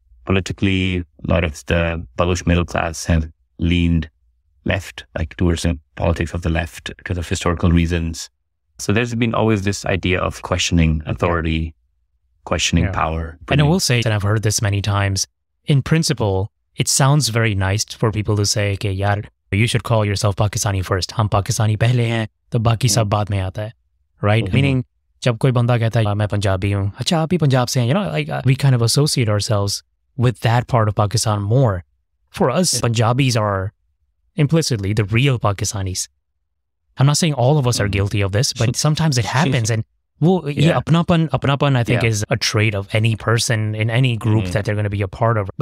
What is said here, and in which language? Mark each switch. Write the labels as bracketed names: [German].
[English] Politically, a lot of the Baluch middle class have leaned left, like towards the politics of the left because of historical reasons. So there's been always this idea of questioning authority, questioning power. And I will say, and I've heard this many times, in principle, it sounds very nice for people to say, okay, yaar, you should call yourself Pakistani first. [Urdu] ہم پاکستانی پہلے ہیں, تو باقی سب بعد میں آتا ہے. [English] Right? [Urdu] مطلب, جب کوئی بندہ کہتا ہے, میں پنجابی ہوں, اچھا, آپ ہی پنجاب سے ہیں. [English] You know, like, we kind of associate ourselves with that part of Pakistan more. For us, Punjabis are implicitly the real Pakistanis. I'm not saying all of us are guilty of this, but sometimes it happens. And apnapan, I think, is a trait of any person in any group that they're going to be a part of.